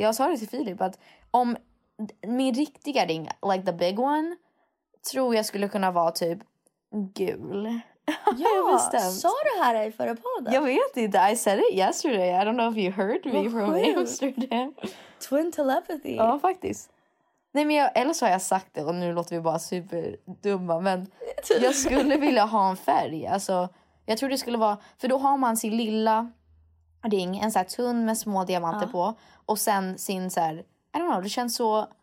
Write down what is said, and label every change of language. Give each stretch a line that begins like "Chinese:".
Swedish: Jag sa det till Filip att om min riktiga ring,
English: like the big one,
Swedish: tror jag skulle kunna vara typ gul. Ja, bestämt. Sa du här i förra podden? Jag vet inte.
English: I said it yesterday. I don't know if you heard me from Amsterdam. Twin telepathy.
Swedish: Ja, faktiskt. Nej, men eller så har jag sagt det och nu låter vi bara superdumma. Men jag skulle vilja ha en färg. Alltså, jag tror det skulle vara... För då har man sin lilla ring. En sån här tunn med små diamanter på. Och sen sin så här...
English: I don't know,
Swedish: det känns så...